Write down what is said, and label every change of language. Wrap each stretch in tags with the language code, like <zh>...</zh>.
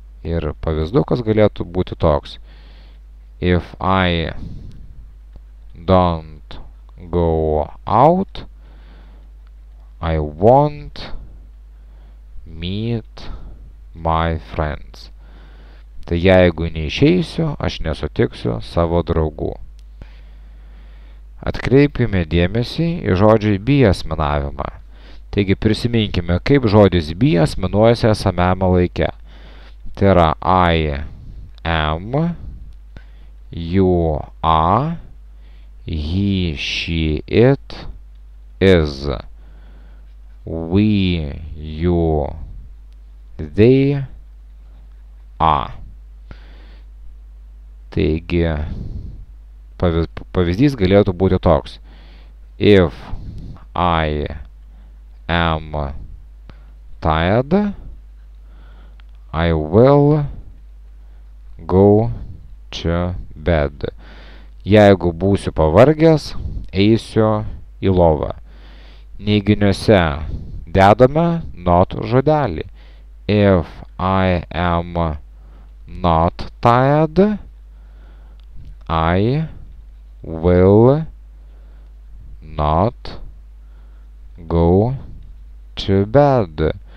<lt>Ir pavyzdukas galėtų būti toks.</lt> <en>If I don't go out, I won't meet my friends.</en> <lt>Tai jeigu neišeisiu, aš nesutiksiu savo draugų. Atkreipkime dėmesį į žodžių be asmenavimą. Taigi prisiminkime, kaip žodis be asmenuojasi esamame laike. Tai yra</lt> <en>I am, you are, he, she, it, is, we, you, they, are.</en> <lt>Taigi pavyzdys galėtų būti toks.</lt> <en>If I am tired, I will go to bed.</en> <lt>Jeigu būsiu pavargęs, eisiu į lovą. Neiginiuose dedame not žodelį.</lt> <en>If I am not tired, I will not go to bed.</en>